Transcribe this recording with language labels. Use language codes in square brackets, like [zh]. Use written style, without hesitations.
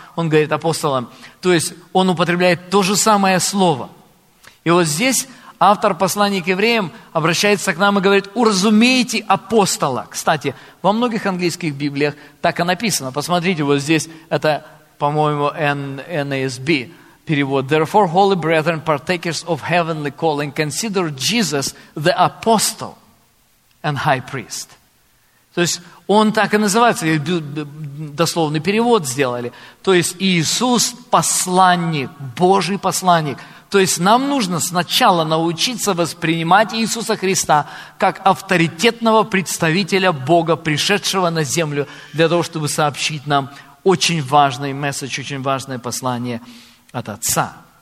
[ru] Он говорит апостолам, то есть он употребляет то же самое слово. И вот здесь автор послания к евреям обращается к нам и говорит, уразумейте апостола. Кстати, во многих английских библиях так и написано. Посмотрите, вот здесь это, по-моему, NASB перевод. [en] Therefore, holy brethren, partakers of heavenly calling, consider Jesus the apostle and high priest. [ru] То есть он так и называется, дословный перевод сделали. То есть Иисус – посланник, Божий посланник. То есть нам нужно сначала научиться воспринимать Иисуса Христа как авторитетного представителя Бога, пришедшего на землю, для того, чтобы сообщить нам очень важный месседж, очень важное послание от Отца.